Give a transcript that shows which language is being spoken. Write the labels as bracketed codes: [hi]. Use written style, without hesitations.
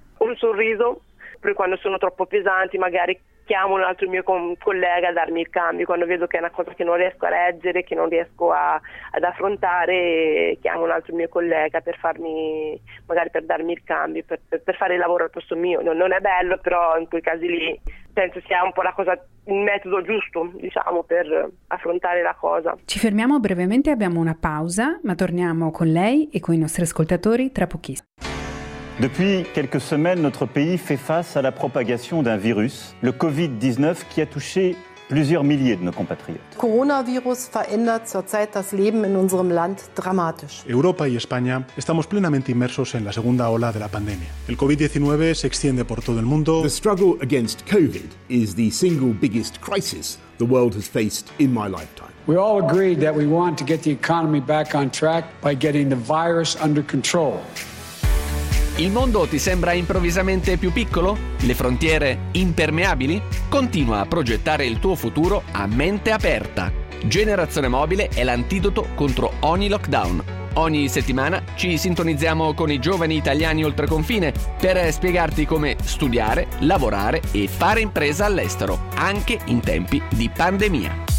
[it] Un sorriso, poi quando sono troppo pesanti magari chiamo un altro mio collega a darmi il cambio, quando vedo che è una cosa che non riesco a reggere, che non riesco ad affrontare, chiamo un altro mio collega per farmi, magari per darmi il cambio, per fare il lavoro al posto mio. Non è bello, però in quei casi lì penso sia un po' la cosa, il metodo giusto, diciamo, per affrontare la cosa. Ci fermiamo brevemente, abbiamo una pausa, ma torniamo con lei e con i nostri ascoltatori tra pochissimo. [fr] Depuis quelques semaines, notre pays fait face à la propagation d'un virus, le Covid-19, qui a touché plusieurs milliers de nos compatriotes. [de] Coronavirus verändert zurzeit das Leben in unserem Land dramatisch. [es] Europa y España estamos plenamente inmersos en la segunda ola de la pandemia. El COVID-19 se extiende por todo el mundo. [en] The struggle against COVID is the single biggest crisis the world has faced in my lifetime. We all agreed that we want to get the economy back on track by getting the virus under control. [it] Il mondo ti sembra improvvisamente più piccolo? Le frontiere impermeabili? Continua a progettare il tuo futuro a mente aperta. Generazione Mobile è l'antidoto contro ogni lockdown. Ogni settimana ci sintonizziamo con i giovani italiani oltre confine per spiegarti come studiare, lavorare e fare impresa all'estero, anche in tempi di pandemia.